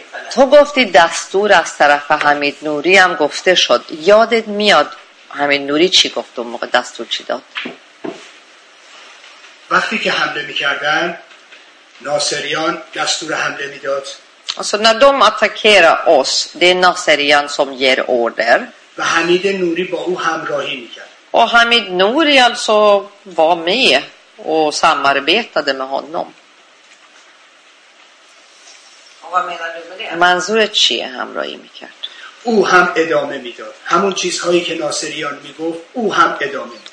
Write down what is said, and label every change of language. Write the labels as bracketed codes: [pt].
[fa] تو گفتی دستور از طرف حمید نوری هم گفته شد یادت میاد حمید نوری چی گفت اون موقع دستور چی داد وقتی که حمله میکردن ناصریان دستور حمله میداد [sv] alltså när de attackerar oss det är ناصریان som ger order [fa] و حمید نوری با او همراهی میکرد [sv] och حمید نوری alltså var med och samarbetade med honom [fa] منظورت چیه همراهی میکرد او هم ادامه میداد همون چیزهایی که ناصریان میگفت او هم ادامه میداد